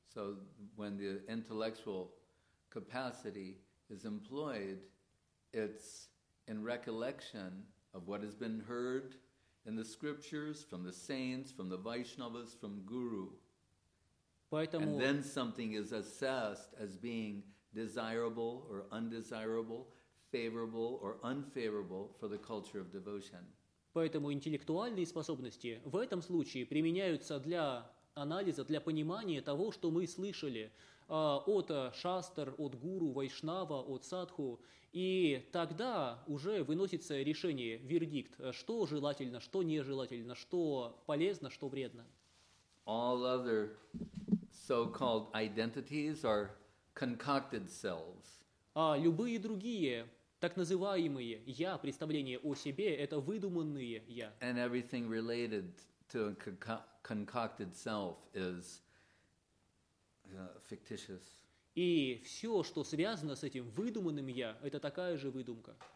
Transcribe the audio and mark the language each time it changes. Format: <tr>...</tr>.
<en>So when the intellectual capacity is employed, it's in recollection of what has been heard in the scriptures from the saints, from the Vaishnavas, from guru.</en> <ru>Поэтому,</ru> <en>and then something is assessed as being desirable or undesirable, favorable or unfavorable for the culture of devotion.</en> <ru>Поэтому интеллектуальные способности в этом случае применяются для анализа, для понимания того, что мы слышали от шастр, от гуру, вайшнава, от садху. И тогда уже выносится решение, вердикт, что желательно, что нежелательно, что полезно, что вредно.</ru> <en>All other so-called identities are concocted selves.</en> <ru>А любые другие, так называемые «я», представления о себе, это выдуманные «я».</ru> <en>And everything related to a concocted self is fictitious.</en> <ru>И все, что связано с этим выдуманным «я», это такая же выдумка.</ru>